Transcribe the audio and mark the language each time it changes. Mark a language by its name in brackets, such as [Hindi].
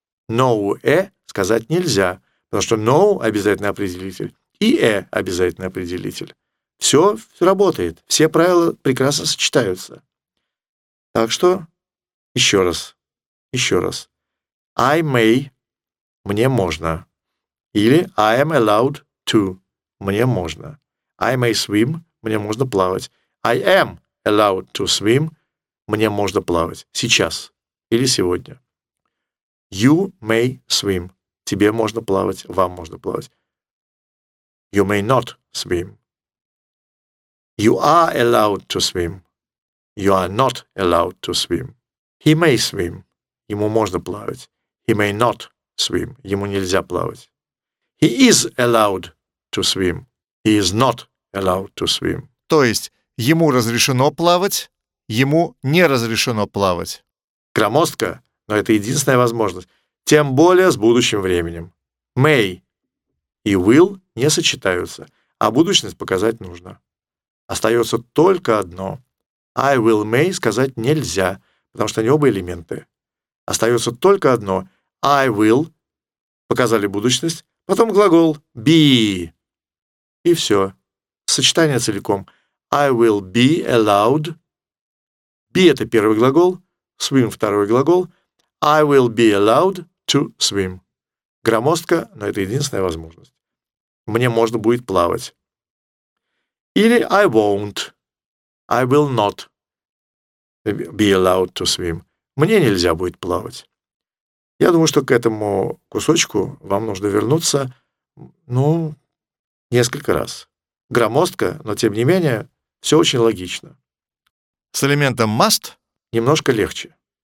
[Russian] No a сказать нельзя, потому что no обязательный определитель и a обязательный определитель. Все работает, все правила прекрасно сочетаются. Так что еще раз. [English] I may, [Russian] мне можно. Или [English] I am allowed to, [Russian] мне можно. [English] I may swim, [Russian] мне можно плавать. [English] I am allowed to swim, [Russian] мне можно плавать. Сейчас или сегодня. [English] You may swim, [Russian] тебе можно плавать, вам можно плавать. [English] You may not swim. You are allowed to swim. You are not allowed to swim. He may swim. [Russian] Ему можно плавать. [English] He may not swim. [Russian] Ему нельзя плавать. [English] He is allowed to swim. He is not allowed to swim. [Russian] То есть, ему разрешено плавать, ему не разрешено плавать. Громоздко, но это единственная возможность. Тем более с будущим временем. May и will не сочетаются, а будущность показать нужно. Остается только одно. I will may сказать нельзя, потому что они оба элементы. Остается только одно. I will. Показали будущность. Потом глагол be. И все. Сочетание целиком. [English] I will be allowed. [Russian] Be — это первый глагол. Swim — второй глагол. [English] I will be allowed to swim. [Russian] Громоздко, но это единственная возможность. Мне можно будет плавать. Или [English] I won't, I will not be allowed to swim. [Russian] Мне нельзя будет плавать. Я думаю, что к этому кусочку вам нужно вернуться, несколько раз. Громоздко, но тем не менее, все очень логично. С элементом must? Немножко легче.